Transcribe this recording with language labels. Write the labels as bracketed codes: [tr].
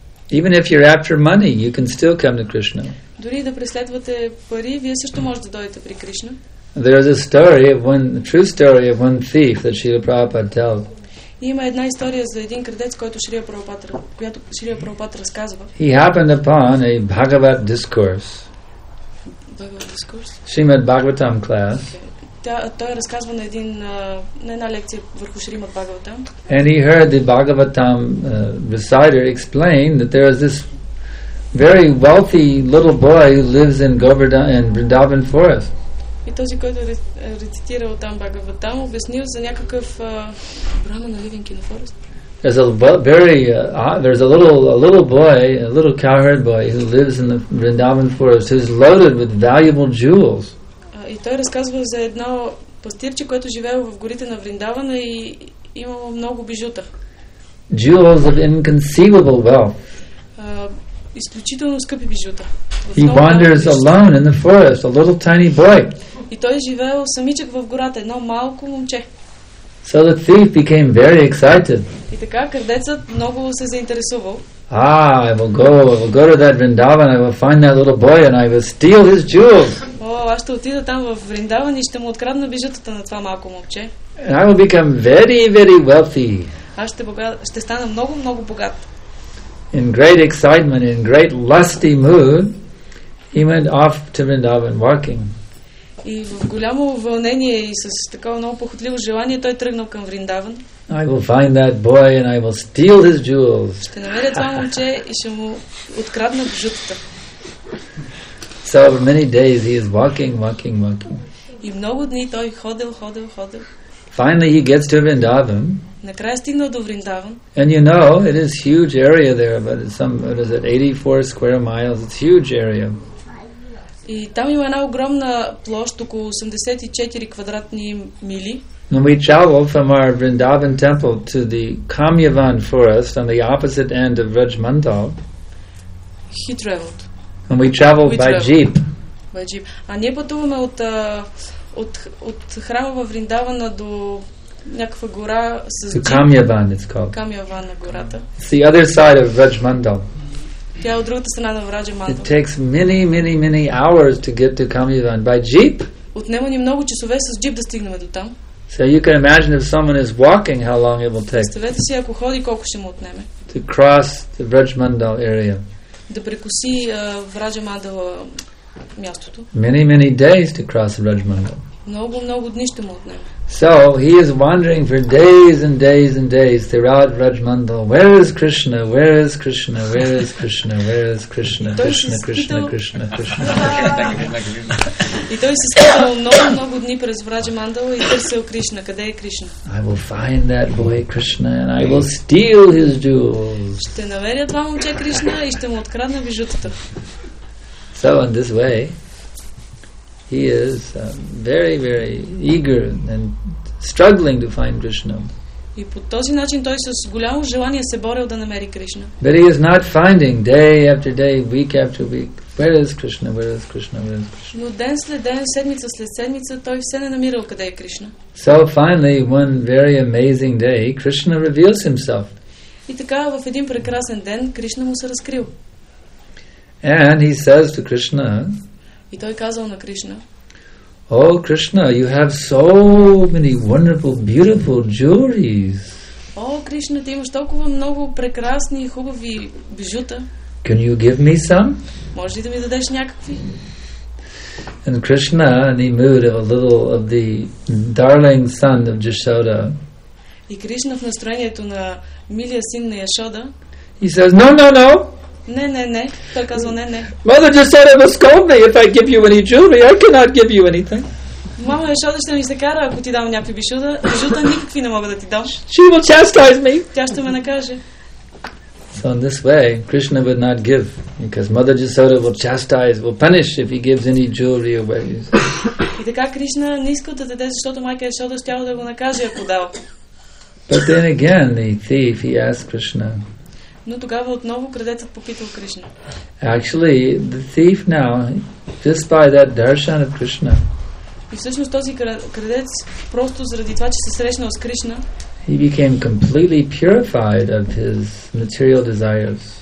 [en] Even if you're after money, you can still come to Krishna. [bg] Дори да преследвате пари, вие също може да дойдете при Кришна. [en] There is a story of one, a true story of one thief that Srila Prabhupada tells. [bg] И има една история за един крадец, който Шрия Прабхупад, която Шрия Прабхупад разказва. [en] He happened upon a Bhagavat discourse. Bhagavat discourse. Shrimad Bhagavatam class. [bg] Той разказва на един на една лекция върху Шримад Бхагаватам. [en] And he heard the Bhagavatam reciter explain that there is this very wealthy little boy who lives in Govardhan and Vrindavan forest. [bg] И този, който рецитирал там Бхагаватам, обяснил за някакъв брама на [en] living in the forest. There's a very there's a little cowherd boy who lives in the Vrindavan forest who's loaded with valuable jewels. [bg] И той разказва за едно пастирче, което живее в горите на Вриндавана и има много бижута. [en] Jewels of inconceivable wealth. [bg] Изключително скъпи бижута. [en] He wanders alone in the forest, a little tiny boy. [bg] И той живее самичък в гората, едно малко момче. [en] So the thief became very excited. [bg] И така крадецът много се заинтересувал. [en] Ah, I will go to that Vrindavan, I will find that little boy and I will steal his jewels. [bg] Oh, аз ще отида там в Вриндаван и ще му открадна бижутата на това малко момче. [en] And I will become very, very wealthy. [bg] Аз ще стана много, много богат. [en] In great excitement, in great lusty mood, he went off to Vrindavan walking. [bg] И в голямо вълнение и с такова много похотливо желание той тръгнал към Вриндаван. [en] I will find that boy and I will steal his jewels. [bg] Ще намеря това момче и ще му открадна бижутата. [en] So for many days he is walking. [bg] И много дни той ходил. [en] Finally he gets to Vrindavan. [bg] Накрая стигнал до Вриндаван. [en] And you know, it is huge area there, but it's some, what is it, 84 square miles, it's huge area. [bg] И там има една огромна площ, около 84 квадратни мили. [en] And we travel from our Vrindavan temple to the Kamyavan forest on the opposite end of Rajmandal. He traveled. And we traveled by jeep. [bg] А ние пътуваме от храма в Вриндавана до някаква гора с [en] jeep. Kamyavan it's called. [bg] Kamyavan на гората. [en] It's the other side of Rajmandal. [bg] Тя е от другата страна на Раджамандал. [en] It takes many hours to get to Kamyavan by jeep. [bg] Отнема ни много часове с jeep да стигнем до там. [en] So you can imagine if someone is walking how long it will take. [bg] Представете си ако ходи колко ще му отнеме. [en] To cross the Rajmandal area. [bg] Да прекоси Раджамандал мястото. [en] Many days to cross Rajmandal. [bg] Много дни ще му отнеме. [en] So he is wandering for days and days and days throughout Rajmandal. Where is Krishna? Where is Krishna? Where is Krishna? Where is Krishna? Krishna, Krishna, Krishna, Krishna. [bg] И той се скитал много дни през Враджамандала и търсил Кришна. Къде е Кришна? [en] I will find that boy Krishna and I will steal his jewels. [bg] Ще намеря това момче Кришна и ще му открадна бижутата. [en] So in this way he is very, very eager and struggling to find Krishna. [bg] И по този начин той с голямо желание се борил да намери Кришна. [en] But he is not finding day after day, week after week. Where is Krishna? Where is Krishna? Where is Krishna? [bg] Но ден след ден, седмица след седмица, той все не намирал къде е Кришна. [en] So finally, one very amazing day, Krishna reveals himself. [bg] И така в един прекрасен ден Кришна му се разкрил. [en] And he says to Krishna. [bg] И той казал на Кришна. [en] Oh Krishna, you have so many wonderful, beautiful jewelries. [bg] Oh Krishna, ти имаш толкова много прекрасни и хубави бижута. [en] Can you give me some? [bg] Може ли да ми дадеш някакви? [en] And Krishna, in the mood of a little of the darling son of Yashoda. [bg] И Кришна в настроението на милия син на Яшода. [en] He says, "No, no, no." [bg] Не, не, не. Той казва, не, не. [en] Mother just said it will scold me if I give you any jewelry. I cannot give you anything. [bg] Мама Яшода ще ми се кара, ако ти дам някакви бижута. Бижута никакви не мога да ти дам. [en] She will chastise me. [bg] Тя ще ме накаже. [en] So in this way, Krishna would not give because Mother Yashoda will chastise, will punish if he gives any jewelry away. [bg] И така Кришна не искал да даде, защото майка Яшода щяла да го накаже, ако дал. [en] But then again, the thief, he asked Krishna. [bg] Но тогава отново крадецът попитал Кришна. [en] Actually, the thief now, just by that darshan of Krishna. [bg] И всъщност този крадец, просто заради това, че се срещнал с Кришна, [en] he became completely purified of his material desires.